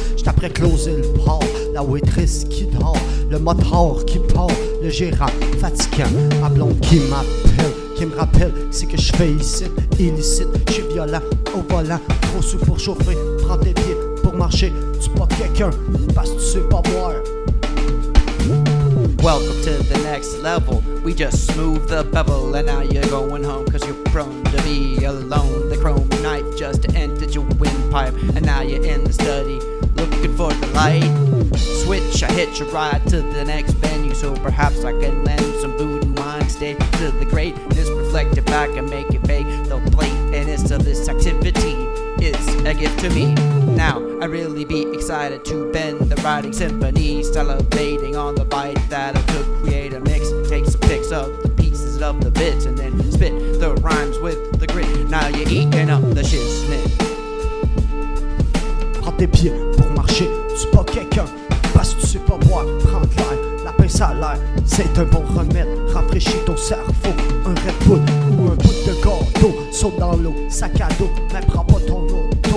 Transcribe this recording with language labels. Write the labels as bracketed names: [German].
[French] J'suis après closer le port, la waitress qui dort, le moteur qui part, le gérant fatiguant, ma blonde qui m'appelle, qui me rappelle, c'est que j'fais ici, illicite, j'suis violent, au volant, trop sous pour chauffer, prends tes pieds pour marcher, tu pas quelqu'un, parce que tu sais pas boire. [English] Welcome to the next level. We just smoothed the bevel, and now you're going home, cause you're prone to be alone. The chrome knife just entered your windpipe, and now you're in the study, looking for the light. Switch, I hitch a ride to the next venue, so perhaps I can lend some voodoo mind state to the great. Just reflect it back and make it fake. The blatantness of this activity is a gift to me. Now, I'd really be excited to bend the riding symphony, salivating on the bite that I took, create a mix, take some pics of the pieces of the bits, and then spit the rhymes with the grit. Now you're eating up the shiznit. [French] Prends tes pieds pour marcher, tu pas quelqu'un, parce que tu sais pas boire. Prends de l'air, la pince à l'air, c'est un bon remède, rafraîchis ton cerveau, un Red Bull ou un bout de gâteau. Saute dans l'eau, sac à dos, mais prends pas ton eau.